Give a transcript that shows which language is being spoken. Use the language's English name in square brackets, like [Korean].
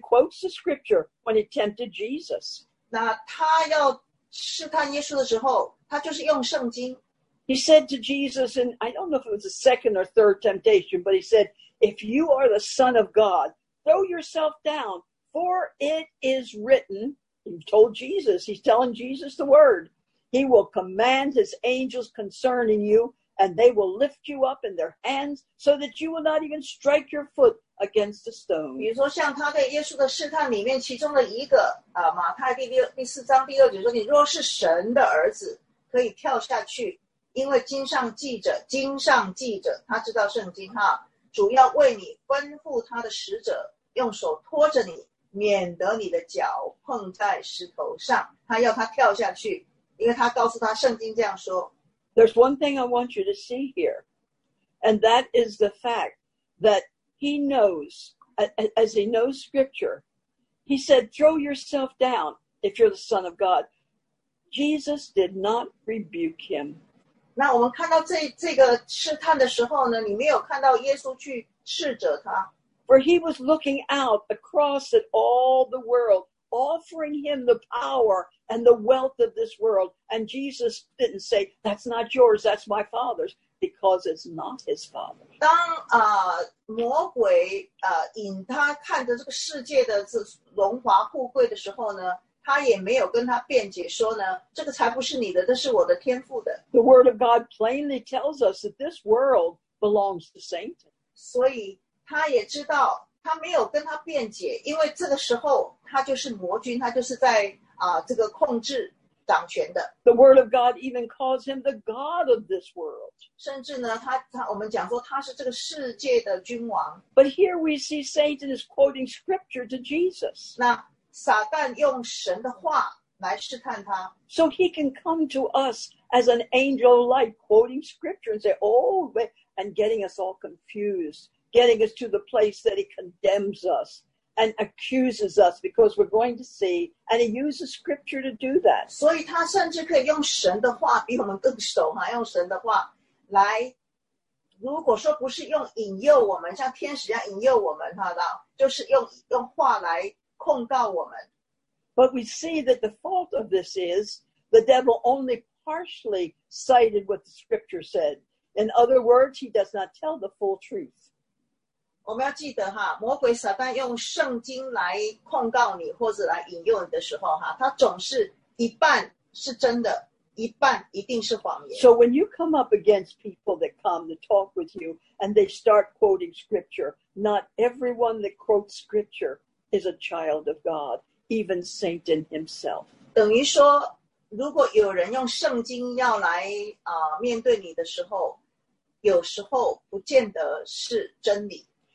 [English] quotes the scripture when he tempted Jesus. [Chinese] 那他要试探耶稣的时候,他就是用圣经。He [English] said to Jesus, and I don't know if it was the second or third temptation, but he said, if you are the Son of God, throw yourself down, for it is written, he told Jesus, he's telling Jesus the word. He will command his angels concerning you, and they will lift you up in their hands so that you will not even strike your foot against a stone. [Chinese] 比如说像他对耶稣的试探里面其中的一个, 马太第四章第六节说, 你若是神的儿子,可以跳下去, 因为经上记着, 经上记着, 他知道圣经, 主要为你吩咐他的使者, 用手托着你, 免得你的脚碰在石头上, 他要他跳下去, 因为他告诉他圣经这样说, [English] there's one thing I want you to see here, and that is the fact that he knows, as he knows scripture, he said, throw yourself down if you're the Son of God. Jesus did not rebuke him. [Chinese] 那我们看到这个试探的时候呢, 你没有看到耶稣去斥责他。 [English] For he was looking out across at all the world, offering him the power and the wealth of this world. And Jesus didn't say, that's not yours, that's my father's, because it's not his father. [Chinese] 当魔鬼引他看着这个世界的这荣华富贵的时候呢，他也没有跟他辩解说呢，这个才不是你的，这是我的天父的。 [English] The word of God plainly tells us that this world belongs to Satan. [Chinese] 所以他也知道他没有跟他辩解，因为这个时候他就是魔君，他就是在这个控制掌权的。 [English] The word of God even calls him the God of this world. [Chinese] 甚至呢，他我们讲说他是这个世界的君王。 [English] But here we see Satan is quoting scripture to Jesus. [Chinese] 那撒旦用神的话来试探他。 [English] So he can come to us as an angel of light, quoting scripture and say, oh, and getting us all confused. Getting us to the place that he condemns us and accuses us because we're going to see, and he uses scripture to do that. [Chinese] 所以他甚至可以用神的话比我们更熟，还用神的话来，如果说不是用引诱我们，像天使一样引诱我们，好的，就是用话来控告我们。 [English] But we see that the fault of this is the devil only partially cited what the scripture said. In other words, he does not tell the full truth. [Chinese] 我们要记得哈，魔鬼撒旦用圣经来控告你或者来引诱你的时候哈，他总是一半是真的，一半一定是谎言。 [English] So when you come up against people that come to talk with you and they start quoting scripture, not everyone that quotes scripture is a child of God, even Satan himself. [Chinese] 等于说，如果有人用圣经要来面对你的时候，有时候不见得是真理。